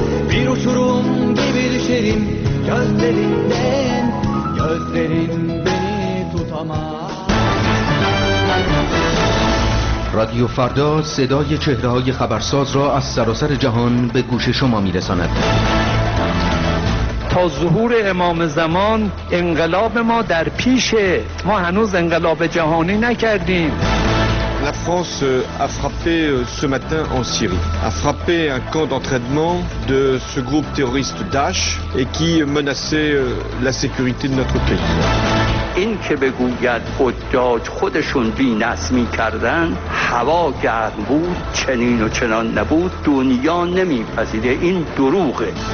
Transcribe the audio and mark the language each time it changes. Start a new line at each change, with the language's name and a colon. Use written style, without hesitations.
Turkish: bir uçurum gibi düşerim gözlerinden, gözlerin beni tutamaz.
Persian: رادیو فردا صدای چهره‌های خبرساز را از سراسر جهان به گوش شما می‌رساند. تا ظهور امام زمان انقلاب ما در پیشه، ما هنوز انقلاب جهانی نکردیم.
French: La France a frappé ce matin en Syrie, a frappé un camp d'entraînement de ce groupe terroriste Daesh et qui menaçait la sécurité de notre pays.
Persian: این که بگوید حجاج خودشون بی نظمی کردن، هوا گرم بود، چنین و چنان نبود، دنیا نمی پذیره، این دروغه.